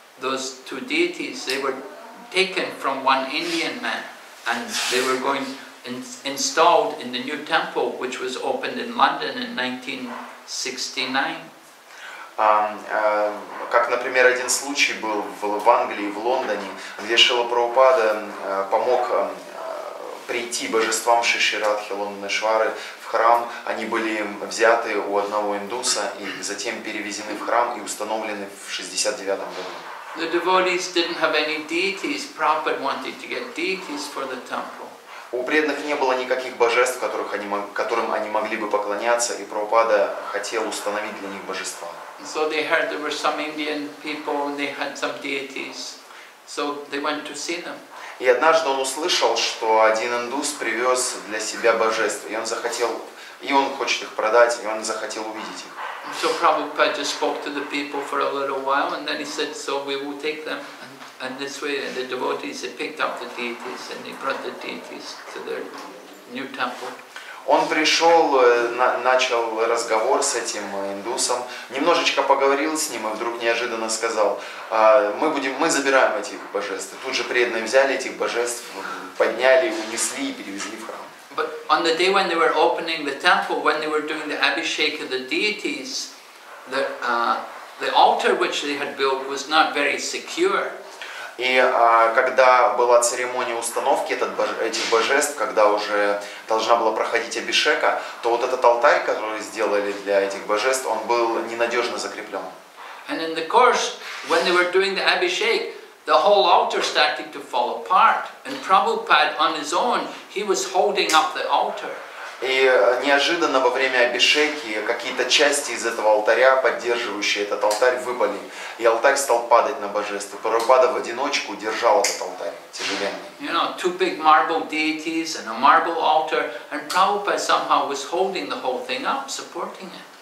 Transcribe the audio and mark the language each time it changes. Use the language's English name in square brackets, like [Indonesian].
[English] Those two deities, they were taken from one Indian man and they were going installed in the new temple which was opened in London in 1969. [Russian] Как, например, один случай был в Англии, в Лондоне, где Шрила Прабхупада помог прийти божествам Шри Радхи Ланданишвары в храм. Они были взяты у одного индуса и затем перевезены в храм и установлены в 69 году. [English] The devotees didn't have any deities. Prabhupada wanted to get deities for the temple. [Russian] У преданных не было никаких божеств, которым они могли бы поклоняться, и Прабхупада хотел установить для них божества. [English] So they heard there were some Indian people and they had some deities. So they went to see them. [Russian] И однажды он услышал, что один индус привез для себя божества, и он захотел, и он хочет их продать, и он захотел увидеть их. [English] So Prabhupada just spoke to the people for a little while, and then he said, "So we will take them." And this way, the devotees they picked up the deities and they brought the deities to their new temple. [Russian] Он пришел, начал разговор с этим индусом, немножечко поговорил с ним и вдруг неожиданно сказал: мы забираем этих божеств. Тут же преданные взяли этих божеств, подняли, унесли и перевезли в храм. [English] But on the day when they were opening the temple, when they were doing the abhishek of the deities, the altar which they had built was not very secure. [Russian] И когда была церемония установки этих божеств, когда уже должна была проходить абишека, то вот этот алтарь, который сделали для этих божеств, он был ненадежно закреплен. [English] And in the course, when they were doing the abhishek, the whole altar started to fall apart. And Prabhupada, on his own, he was holding up the altar. [Russian] И неожиданно во время абишеки какие-то части из этого алтаря, поддерживающие этот алтарь, выпали. И алтарь стал падать на божество. Прабхупада в одиночку держал этот алтарь тяжеленный. [English] You know, two big marble deities and a marble altar, and Prabhupada somehow was holding the whole thing up, supporting it.